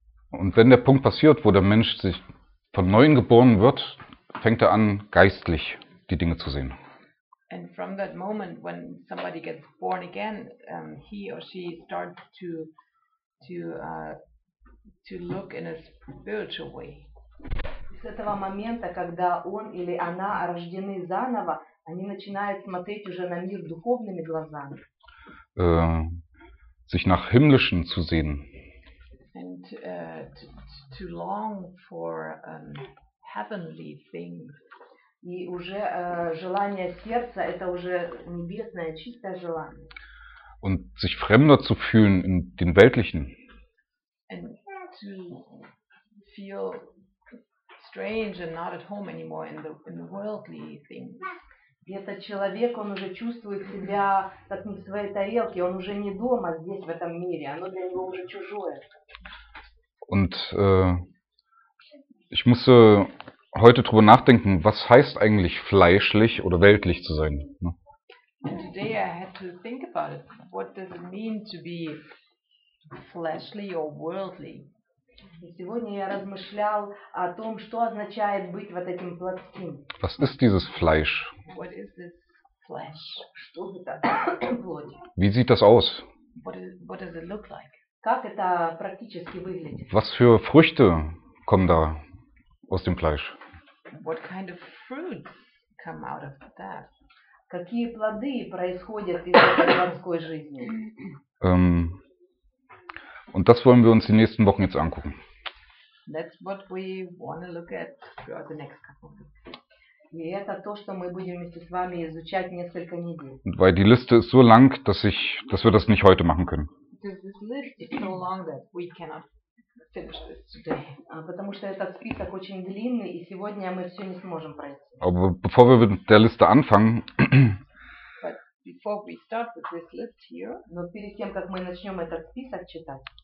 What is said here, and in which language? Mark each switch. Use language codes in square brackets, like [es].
[de] Und wenn der Punkt passiert, wo der Mensch sich von neuem geboren wird, fängt er an, geistlich die Dinge zu sehen. [en] And from that moment when somebody gets born again, he or she starts to look in a spiritual way. [ru] С этого момента, когда он или она рождены заново, они начинают смотреть уже на мир духовными глазами. [de] Sich nach himmlischen zu sehen. [en] And to long for heavenly things. [ru] И уже желание сердца это уже небесное чистое желание. [de] Und sich fremder zu fühlen in den weltlichen. [en] And to feel strange and not at home anymore in the worldly things. [ru] И этот человек, он уже чувствует себя как не в своей тарелке, он уже не дома здесь, в этом мире, оно для него уже чужое. [de] Und ich musste heute drüber nachdenken, was heißt eigentlich fleischlich oder weltlich zu sein? [en] And today I had to think about it. What does it mean to be fleshly or worldly? [ru] И сегодня я размышлял о том, что означает быть вот этим плотским. [de] Was ist dieses Fleisch? [en] What is this flesh? [ru] Что это? Плоть. [de] Wie sieht das aus? [en] What does it look like? [ru] Как это практически выглядит? [de] Was für Früchte kommen da aus dem Fleisch? [en] What kind of fruits come out of that? [ru] Какие плоды происходят из этой плотской жизни? [de] Und das wollen wir uns die nächsten Wochen jetzt angucken. [en] That's what we want to look at throughout the next couple of weeks. [ru] И это то, что мы будем вместе с вами изучать несколько недель. [de] Weil die Liste ist so lang, dass wir das nicht heute machen können. [en] Because this list is so long that we cannot finish this today. [ru] Потому что этот список очень длинный, и сегодня мы все не сможем пройти. [de] Aber bevor wir mit der Liste anfangen, [en] Before we start with this list here, [ru] но перед тем, как мы начнем этот список читать,